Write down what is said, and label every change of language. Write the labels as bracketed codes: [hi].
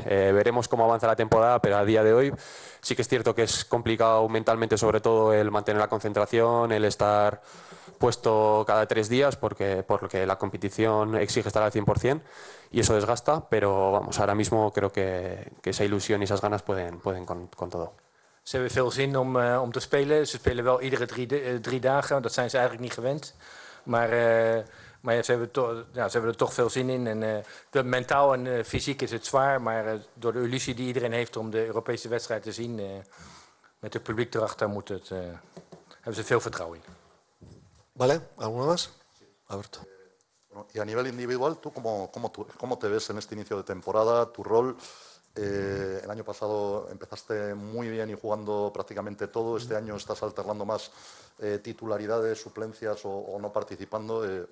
[es] Veremos cómo avanza la temporada, pero a día de hoy sí que es cierto que es complicado mentalmente, sobre todo el mantener la concentración, el estar puesto cada 3 días, porque la competición exige estar al 100% y eso desgasta, pero vamos, ahora mismo creo que esa ilusión y esas ganas pueden con todo. [nl] Ze hebben veel zin om te spelen. Ze spelen wel iedere drie dagen, dat zijn ze eigenlijk niet gewend. Maar ja, ze hebben er toch veel zin in. En mentaal en fysiek is het zwaar, maar door de illusie die iedereen heeft om de Europese wedstrijd te zien, met het publiek erachter, hebben ze veel vertrouwen in. [es] Vale, ¿alguno más? Alberto. Bueno, y a nivel individual, ¿tú cómo te ves en este inicio de temporada, tu rol? El año pasado empezaste muy bien y jugando prácticamente todo. Este año estás alternando más titularidades, suplencias o no participando.